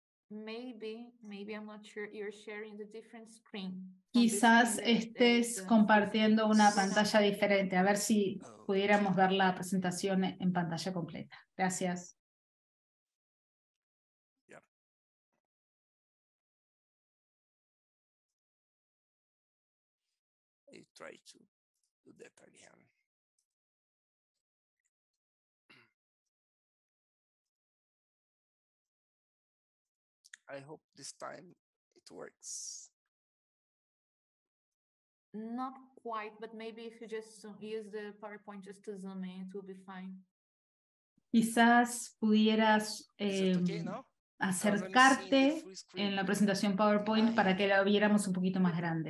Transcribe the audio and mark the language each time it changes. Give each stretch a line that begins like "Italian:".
English: Maybe I'm not sure you're sharing the different screen.
Spanish: Quizás estés compartiendo una pantalla diferente. A ver si pudiéramos ver la presentación en pantalla completa. Gracias.
English: Yeah. I try to do that again. I hope this time it works. Not quite, but maybe if you just use the PowerPoint just to zoom in, it will be fine.
Spanish: Quizás pudieras acercarte en la presentación PowerPoint para que la viéramos un poquito más grande.